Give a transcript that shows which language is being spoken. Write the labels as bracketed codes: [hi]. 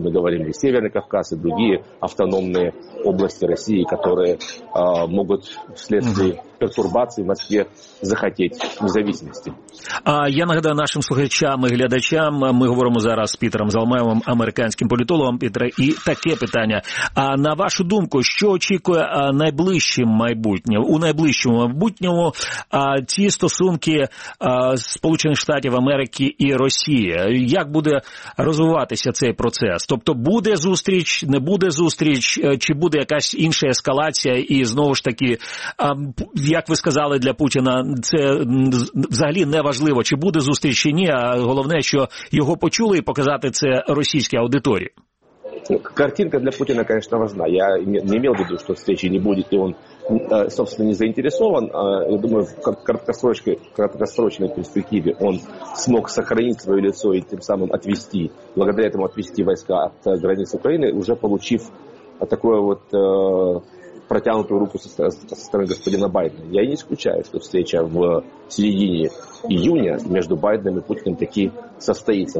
[ru] Мы говорим и Северный Кавказ, и другие автономные области России, которые могут вследствие пертурбаций в Москве захотеть независимости. [uk] Я нагадаю нашим слухачам и глядачам, мы говорим зараз с Пітером Залмаєвим, американским політологом. Пітере, и таке питання. А на вашу думку, що очікує найближчим майбутнім? У найближчому майбутньому ці стосунки Сполучених Штатів Америки і Росії? Як буде розвиватися цей процес? Тобто буде зустріч, не буде зустріч, чи буде якась інша ескалація? І знову ж таки, як ви сказали, для Путіна це взагалі не важливо, чи буде зустріч чи ні, а головне, що його почули і показати це російській аудиторії. Картинка для Путіна, звісно, важна. Я не мав в виду, що зустрічі не буде, і він, [ru] собственно, не заинтересован. Я думаю, в краткосрочной перспективе он смог сохранить свое лицо и тем самым отвести, благодаря этому отвести войска от границ Украины, уже получив такую вот протянутую руку со стороны господина Байдена. Я не исключаю, что встреча в середине июня между Байденом и Путиным таки состоится.